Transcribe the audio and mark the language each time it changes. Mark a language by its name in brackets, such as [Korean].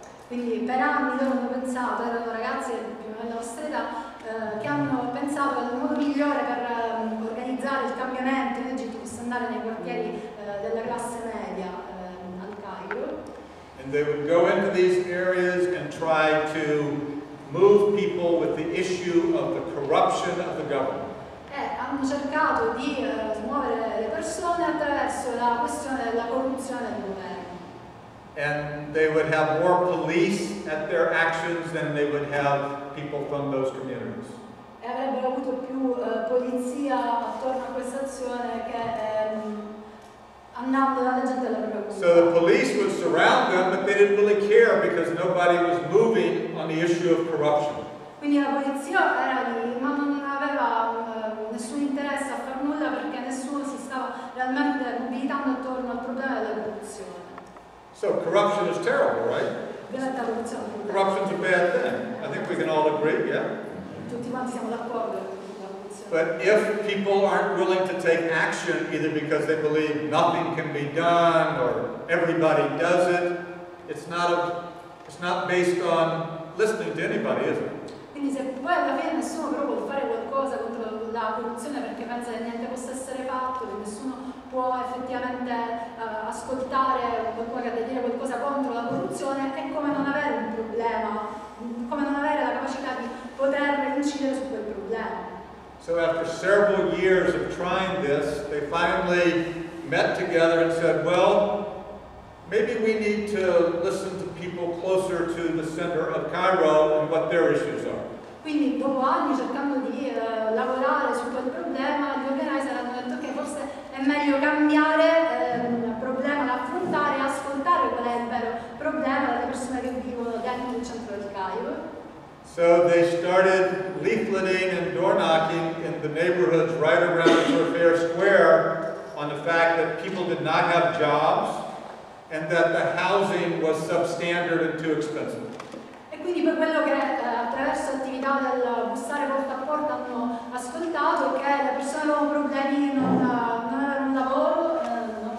[Italian] Quindi per anni loro hanno pensato, erano ragazzi più o meno della nostra età, che hanno pensato al modo migliore per organizzare il cambiamento in Egitto fosse andare nei quartieri della classe media al Cairo. [English] And they would go into these areas and try to move people with the issue of the corruption of the government. [Italian] Hanno cercato di muovere le persone attraverso la questione della corruzione del governo. [English] And they would have more police at their actions than they would have people from those communities. [Italian] E avrebbero avuto più polizia attorno a questa azione che andando dalla gente della propria comunità. [English] So the police would surround them, but they didn't really care because nobody was moving on the issue of corruption. [Italian] Quindi la polizia era lì, ma non aveva nessun interesse a far nulla perché nessuno si stava realmente gravitando attorno al problema della corruzione. [English] So corruption is terrible, right? Corruption's a bad thing. I think we can all agree, yeah? [Italian] Tutti quanti siamo d'accordo. [English] But if people aren't willing to take action, either because they believe nothing can be done or everybody does it, it's not based on listening to anybody, is it? [Italian] Quindi se poi alla fine nessuno però può fare qualcosa contro la corruzione perché pensa che niente possa essere fatto, che nessuno può effettivamente ascoltare qualcuno che ha da dire qualcosa contro la corruzione, è come non avere un problema, come non avere la capacità di poter incidere su quel problema. [English] So after several years of trying this, they finally met together and said, well, maybe we need to listen to people closer to the center of Cairo and what their issues are. [Italian] Quindi dopo anni cercando di lavorare su quel problema, gli organizer hanno detto che forse è meglio cambiare problema da affrontare e ascoltare qual è il vero problema delle persone che vivono dentro il centro del Cairo. [English] So they started leafleting and door knocking in the neighborhoods right around Fair Square on the fact that people did not have jobs and that the housing was substandard and too expensive. [Italian] E quindi per quello che attraverso attività del bussare porta a porta hanno ascoltato che le persone avevano problemi non avevano un lavoro, non